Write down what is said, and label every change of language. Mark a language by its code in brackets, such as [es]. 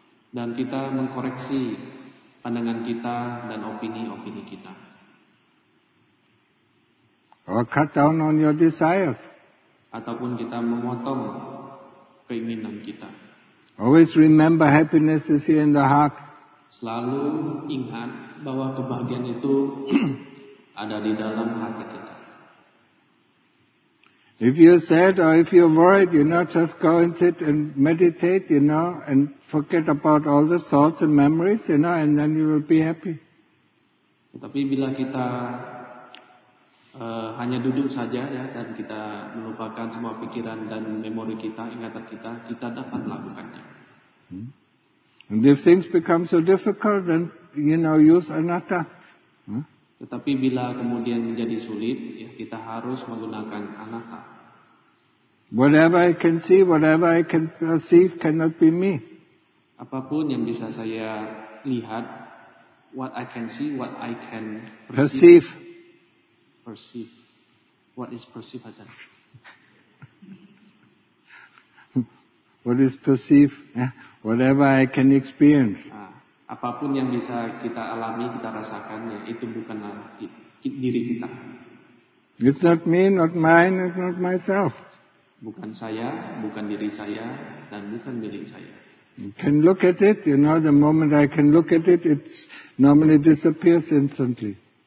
[id] Dan kita mengkoreksi pandangan kita dan opini-opini kita. [en] Or cut down on your desires. [id] Ataupun kita memotong keinginan kita. [en] Always remember happiness is here in the heart. [id] Selalu ingat bahwa kebahagiaan itu ada di dalam hati kita. [en] If you're sad or if you're worried, you know, just go and sit and meditate, you know, and forget about all the thoughts and memories, you know, and then you will be happy. [id] Tetapi bila kita hanya duduk saja dan kita melupakan semua pikiran dan memori kita, ingatan kita, kita dapat melakukannya. [en] And if things become so difficult, then you know, use anatta. [id] Tetapi bila kemudian menjadi sulit, kita harus menggunakan anatta. [en] Whatever I can see, whatever I can perceive, cannot be me. [id] Apapun yang bisa saya lihat, [en] what I can see, what I can perceive. Perceive. What is perceive, Ajahn? What is perceive? Whatever I can experience. [id] Apapun yang bisa kita alami, kita rasakan, itu bukanlah diri kita. [en] It's not me, not mine, it's not myself. [id] Bukan saya, bukan diri saya, dan bukan milik saya. [en] You can look at it, you know, the moment I can look at it, it normally disappears instantly.